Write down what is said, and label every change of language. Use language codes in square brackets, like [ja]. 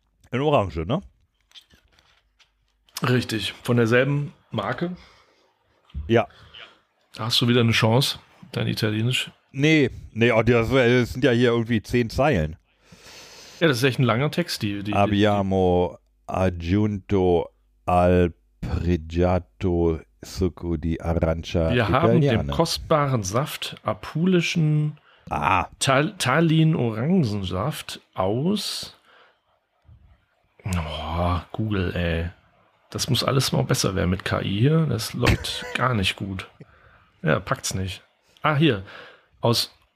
[de] In Orange, ne? Richtig, von derselben Marke. Ja. Hast du wieder eine Chance, dein Italienisch? Nee, das sind ja hier irgendwie 10 Zeilen. Ja, das ist echt ein langer Text. [it] Abbiamo aggiunto al pregiato succo di arancia italiana. [de] Wir haben dem kostbaren Saft apulischen Tallin-Orangensaft aus. Oh, Google, ey. Das muss alles mal besser werden mit KI hier. Das läuft gar nicht gut. Ja, packt's nicht. Ah, hier. Aus.